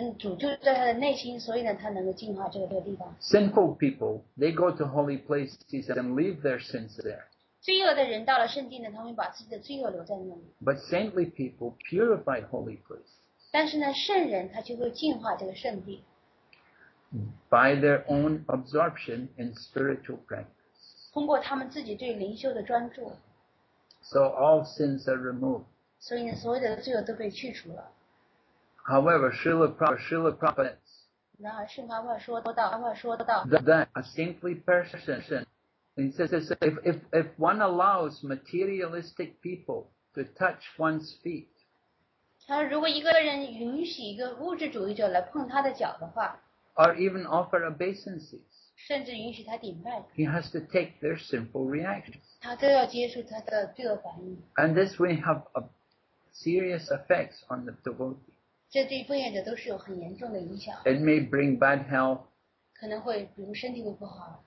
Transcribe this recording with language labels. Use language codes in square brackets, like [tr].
[zh] 因为他主就在他的内心，所以呢，他能够净化这个地方。 [en] Sinful people, they go to holy places and leave their sins there. [zh] 罪恶的人到了圣地呢，他们把自己的罪恶留在那里。 [en] But saintly people purify holy places. [zh] 但是呢，圣人他就会净化这个圣地。 [en] by their own absorption in spiritual practice. [zh] 通过他们自己对灵修的专注。 [en] So all sins are removed. [zh] 所以所有的罪恶都被去除了。 [en] However, Srila Prabhupada. [zh] 然而，圣方法说到，方法说到。 [en] That a saintly person, he says, if one allows materialistic people to touch one's feet. [zh] 他说，如果一个人允许一个物质主义者来碰他的脚的话。 [en] Or even offer obeisances. [zh] 甚至允许他顶拜。 [en] He has to take their sinful reactions. [zh] 他都要接受他的罪恶反应。 [en] And this will have a serious effects on the devotee. [zh] 这对奉献者都是有很严重的影响。 [en] It may bring bad health. [zh] 可能会，比如身体会不好。